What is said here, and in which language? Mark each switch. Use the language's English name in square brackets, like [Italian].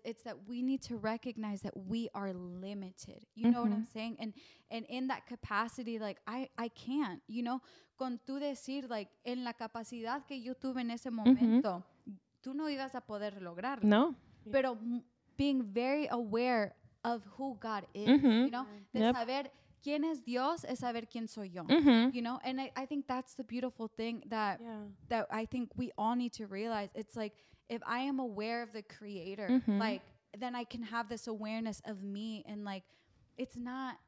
[English] It's that we need to recognize that we are limited. You know what I'm saying? And in that capacity, like, I can't, you know? [Spanish] Con tú decir, like, en la capacidad que yo tuve en ese momento, tú no ibas a poder lograrlo. No. [English] Pero being very aware of who God is, you know? [Spanish] De saber quién es Dios es saber quién soy yo, you know? [English] And I think that's the beautiful thing that that I think we all need to realize. It's like, if I am aware of the Creator, like, then I can have this awareness of me, and like, it's not